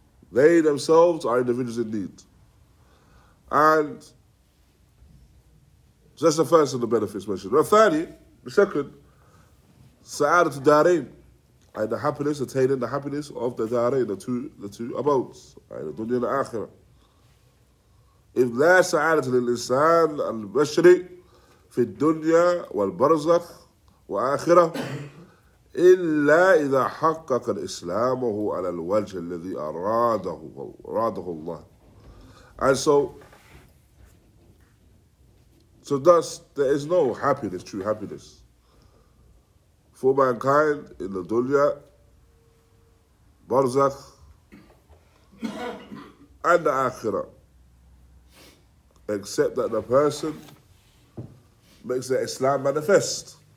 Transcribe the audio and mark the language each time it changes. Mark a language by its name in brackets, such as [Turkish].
[English] They themselves are individuals in need. And so that's the first of the benefits mentioned. But thirdly, the second, sa'adat al-dareen. And the happiness, attaining the happiness of the dareen, the two abodes, the dunya and the akhirah. [Arabic] If لا سعادة للإنسان البشري في الدنيا والبرزخ وآخرة إلا إذا حقق الإسلام وهو على الوجه الذي أراده الله. [English] And so thus there is no happiness, true happiness for mankind in the dunya, barzakh, and the akhirah, except that the person makes the Islam manifest.